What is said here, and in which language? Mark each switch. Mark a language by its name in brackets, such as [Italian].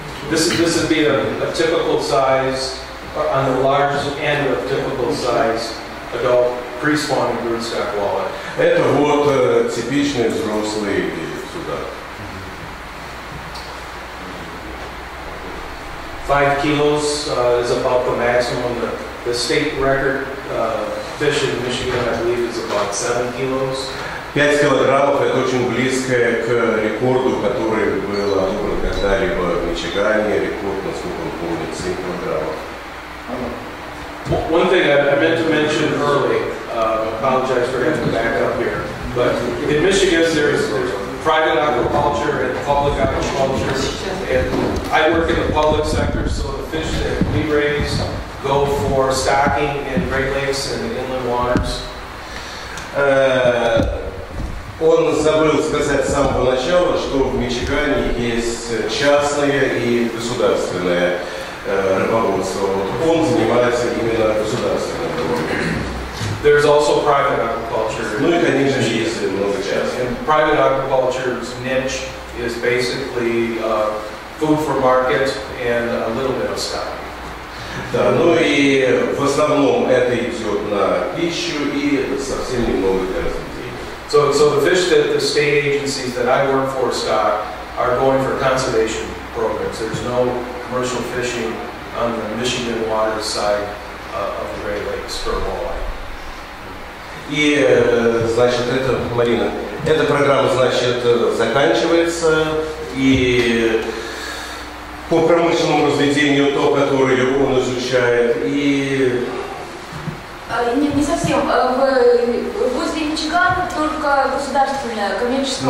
[English] This would be a typical size, on the large end of typical size, adult pre-spawning broodstock walleye. [Russian] Это вот типичные взрослые судак. [English] 5 kilos is about the maximum. The state record fish in Michigan, I believe, is about 7 kilos. [Russian] 5 килограммов – это очень близкое к рекорду, который был одобрен когда-либо в Мичигане. Рекорд, насколько он помнит, 7 килограммов. [English] One thing I meant to mention early, apologize for having to back up here, but in Michigan there's private aquaculture and public aquaculture, and I work in the public sector, so the fish that we raise go for stocking in Great Lakes and inland waters. [Russian] Он забыл сказать с самого начала, что в Мичигане есть частное и государственное рыбоводство. Вот он занимается именно государственным рыбоводством. Ну и, конечно же, есть много частных. [English] Private aquaculture's niche is basically food for market and a little bit of stock. [Russian] Да, ну и в основном это идет на пищу и совсем немного для развития. [English] So the fish that the state agencies that I work for stock are going for conservation programs. There's no commercial fishing on the Michigan waters side of the Great Lakes for walleye. [Russian] И, значит, это, Марина, эта программа, значит, заканчивается, и по промышленному разведению то, которое он изучает, и... Не совсем. Возле Мичигана только государственное, коммерческое.